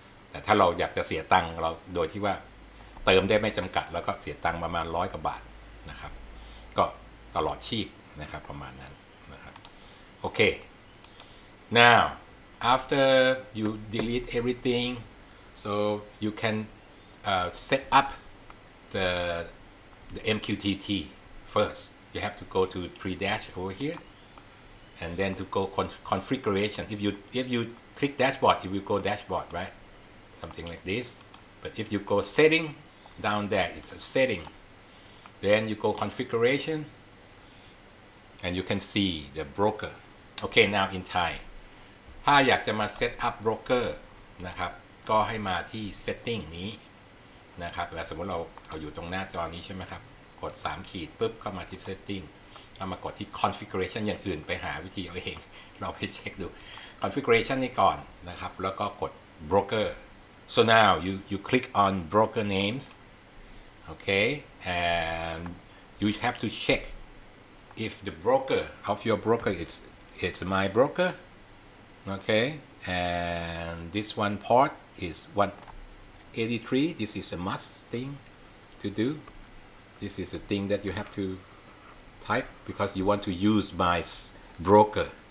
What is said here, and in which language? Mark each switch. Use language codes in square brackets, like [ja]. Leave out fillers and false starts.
[th] แต่ถ้าเราอยากจะเสียตังค์เราโดยที่ว่าเติมได้ไม่จำกัดแล้วก็เสียตังค์ประมาณ100กว่าบาทนะครับก็ตลอดชีพนะครับประมาณนั้นนะครับโอเค [en] now after you delete everything so you canset up the MQTT first. You have to go to three dash over here, and then to go configuration. If you click dashboard, it will go dashboard, right? Something like this. But if you go setting down there, it's a setting. Then you go configuration, and you can see the broker. Okay, now in Thai. [th] ถ้าอยากจะมา set up broker นะครับก็ให้มาที่ setting นี้นะครับแล้วสมมุติเราอยู่ตรงหน้าจอนี้ใช่ไหมครับกด3ขีดปุ๊บก็มาที่ setting ก็มากดที่ configuration อย่างอื่นไปหาวิธีเอาเองเราไปเช็คดู [en] configuration [th] นี่ก่อนนะครับแล้วก็กด [en] broker so now you click on broker names okay and you have to check if the broker of your broker is my broker okay and this one port is 183, this is a must thing to do. This is a thing that you have to type because you want to use my broker.